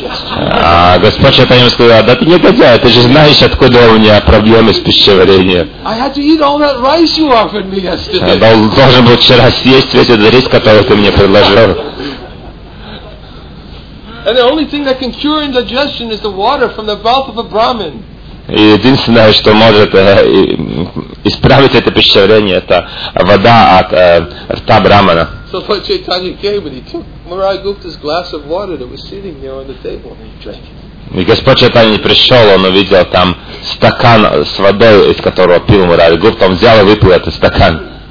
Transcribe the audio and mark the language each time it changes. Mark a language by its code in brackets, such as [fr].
[ru] А Господь Чайтанья сказал, да ты негодяй, ты же знаешь, откуда у меня проблемы с пищеварением. [en] I had to eat all that rice you offered me yesterday. [ru] Я должен был вчера съесть весь этот рис, который ты мне предложил. [en] And the only thing that can cure indigestion is the water from the mouth of a Brahmin. [ru] И единственное, что может исправить это пищеварение, это вода от рта брамана. [en] So Lord Chaitanya came and he took Murari Gupta's glass of water that was sitting there on the table and he drank it. [ru] И Господь Чайтанья пришел, он увидел там стакан с водой, из которого пил Мурари Гупта, он взял и выпил этот стакан.